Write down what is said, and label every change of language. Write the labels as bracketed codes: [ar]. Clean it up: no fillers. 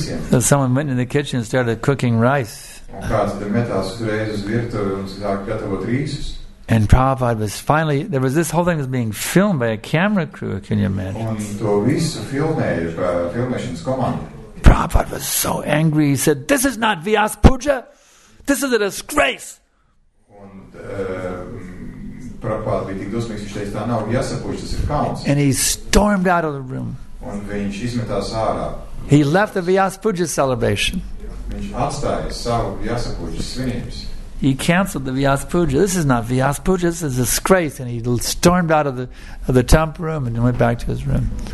[en] So someone went in the kitchen and started cooking rice. And Prabhupada was finally, there was this whole thing was being filmed by a camera crew, can you imagine? [lv] Un to visu filmēšanas komanda. [en] Prabhupada was so angry, he said, this is not Vyas Puja, this is a disgrace. [lv] Prabhupada bija tik dusmīgs, viņš teica, tā nav Vyas Puja, tas ir kauns. [en] And he stormed out of the room. [lv] Un viņš izmetās ārā. [en] He left the Vyas Puja celebration. [lv] Viņš atstāja savu Vyas Puja svinības. [en] He canceled the Vyas Puja. This is not Vyas Puja. This is a disgrace. And he stormed out of the temple room and went back to his room.